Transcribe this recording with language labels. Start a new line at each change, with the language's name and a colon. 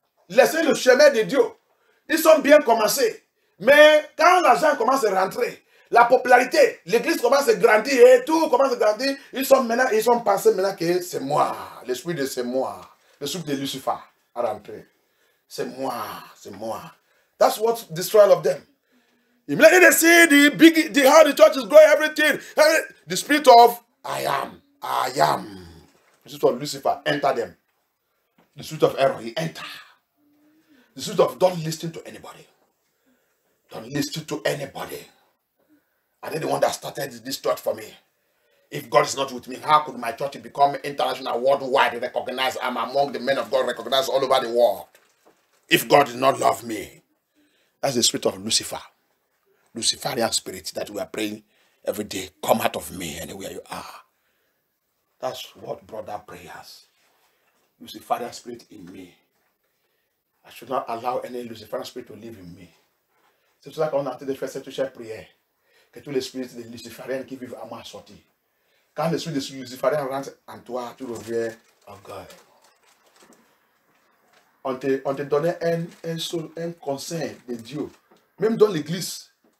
French: Laissez le chemin de Dieu. Ils sont bien commencés. Mais quand l'argent commence à rentrer, la popularité, l'église commence à grandir, et tout commence à grandir, ils sont pensés maintenant que c'est moi, l'esprit de c'est moi, l'esprit de Lucifer a rentré. C'est moi.
English: That's what destroys of them. Immediately they see how the church is growing, everything. The spirit of I am. The spirit of Lucifer, enter them. The spirit of error, he enter. The spirit of don't listen to anybody. And then the one that started this church for me. If God is not with me, how could my church become international, worldwide, recognized? I'm among the men of God, recognized all over the world. If God did not love me, that's the spirit of Lucifer. Luciferian spirit that we are praying every day, come out of me anywhere you are. That's what brother prayers. Luciferian spirit in me. I should not allow any Luciferian spirit to live in me.
French: C'est pour ça qu'on a fait cette chère prière. Que tous les esprits de Luciferien qui vivent à ma sortie. Quand l'esprit de Luciferien rentre en toi, tu reviens à God. On te donnait un conseil de Dieu. Même dans l'église.